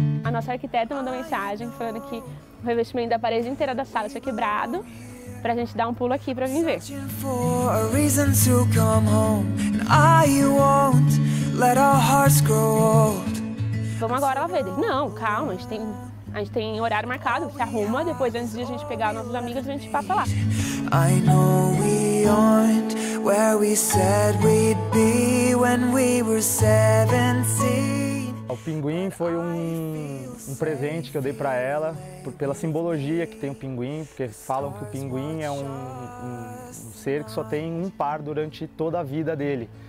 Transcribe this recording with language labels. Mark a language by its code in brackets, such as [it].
[pt] nosso arquiteto mandou mensagem falando que o revestimento da parede inteira da sala tinha quebrado, pra gente dar um pulo aqui pra vir ver. Vamos agora lá ver. Não, calma, a gente tem horário marcado, se arruma, depois antes de a gente pegar nossas amigas, a gente passa lá. [en] I know we aren't where we said we'd be when we were 17. [pt] O pinguim foi um presente que eu dei pra ela, pela simbologia que tem o pinguim, porque falam que o pinguim é um ser que só tem um par durante toda a vida dele.